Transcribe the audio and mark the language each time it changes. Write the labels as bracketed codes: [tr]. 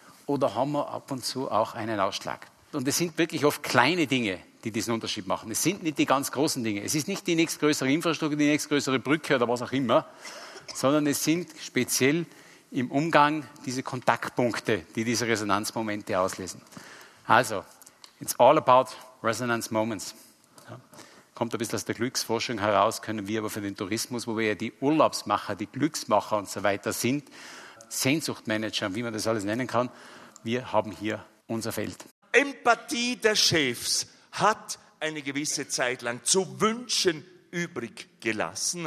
[de] Oder haben wir ab und zu auch einen Ausschlag? Und es sind wirklich oft kleine Dinge, die diesen Unterschied machen. Es sind nicht die ganz großen Dinge. Es ist nicht die nächstgrößere Infrastruktur, die nächstgrößere Brücke oder was auch immer, sondern es sind speziell im Umgang diese Kontaktpunkte, die diese Resonanzmomente auslösen. [en] Also, it's all about resonance moments. [de] Ja. Kommt ein bisschen aus der Glücksforschung heraus, können wir aber für den Tourismus, wo wir ja die Urlaubsmacher, die Glücksmacher und so weiter sind, Sehnsuchtmanager, wie man das alles nennen kann, wir haben hier unser Feld. Empathie der Chefs hat eine gewisse Zeit lang zu wünschen übrig gelassen.